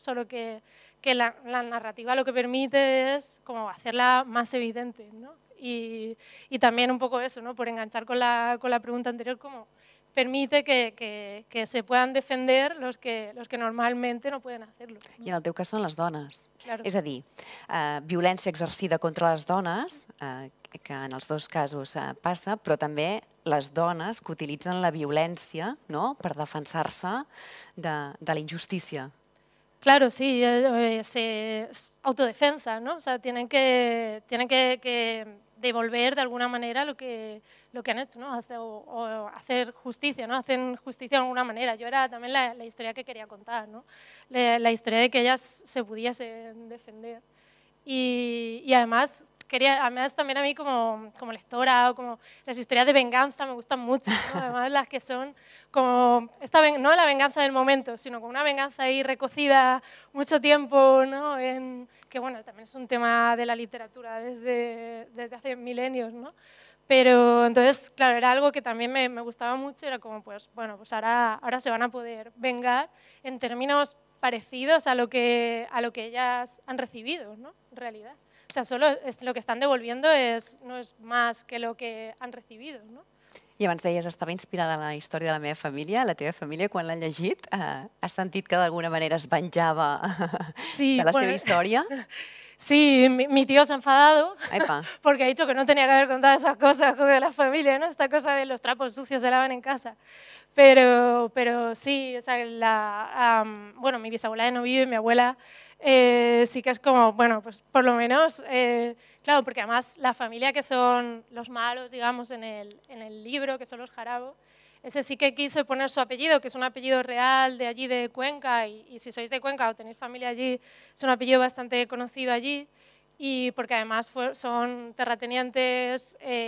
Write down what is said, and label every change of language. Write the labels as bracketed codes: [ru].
[es] Solo que la narrativa lo que permite es como hacerla más evidente, ¿no? Y también un poco eso, ¿no? Por enganchar con la pregunta anterior, como permite que se puedan defender los que normalmente no pueden hacerlo. ¿No? [ca] I en el teu cas són les dones. [es] Claro. [ca] És a dir, violència exercida contra les dones, que en els dos casos passa, però també les dones que utilitzen la violència, no?, per defensar-se de la injustícia. [es] Claro, sí, es autodefensa, ¿no? O sea, tienen que devolver de alguna manera lo que han hecho, ¿no? O hacer justicia, ¿no? Hacen justicia de alguna manera. Yo era también la historia que quería contar, ¿no? La historia de que ellas se pudiesen defender. Y además, quería, además también a mí como, como lectora o como las historias de venganza me gustan mucho, ¿no? Además las que son como, esta, no la venganza del momento, sino como una venganza ahí recocida mucho tiempo, ¿no? En, que bueno, también es un tema de la literatura desde, desde hace milenios, ¿no? Pero entonces, claro, era algo que también me, me gustaba mucho, era como pues, bueno, pues ahora, ahora se van a poder vengar en términos parecidos a lo que ellas han recibido, ¿no? En realidad. O sea, solo lo que están devolviendo es, no es más que lo que han recibido, ¿no? [ca] I abans deies, estava inspirada en la història de la meva família, la teva família, quan l'han llegit, has sentit que d'alguna manera es venjava sí, de la bueno, seva història? [es] Sí, mi tío se ha enfadado porque ha dicho que no tenía que haber contado esas cosas con la familia, ¿no? Esta cosa de los trapos sucios se lavan en casa. Pero sí, o sea, la, bueno, mi bisabuela ya no vive, mi abuela sí que es como, bueno, pues por lo menos, claro, porque además la familia que son los malos, digamos, en el libro, que son los Jarabo, ese sí que quise poner su apellido, que es un apellido real de allí de Cuenca, y si sois de Cuenca o tenéis familia allí, es un apellido bastante conocido allí, y porque además fue, son terratenientes,